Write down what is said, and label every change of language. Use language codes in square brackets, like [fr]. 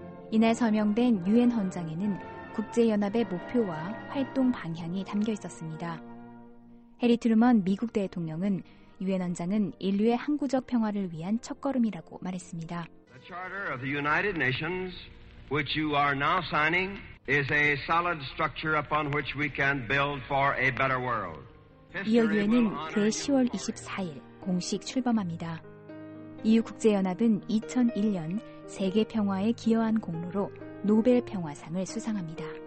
[ko] 이날 서명된 UN 헌장에는 국제연합의 목표와 활동 방향이 담겨 있었습니다. 해리 트루먼 미국 대통령은 유엔 헌장은 인류의 항구적 평화를 위한 첫걸음이라고 말했습니다. [en] The Charter of the United Nations, which you are now signing, is a solid structure upon which we can build for a better world. [ko] 이어 유엔은 그해 10월 24일 공식 출범합니다. 이후 국제연합은 2001년 세계 평화에 기여한 공로로 노벨 평화상을 수상합니다.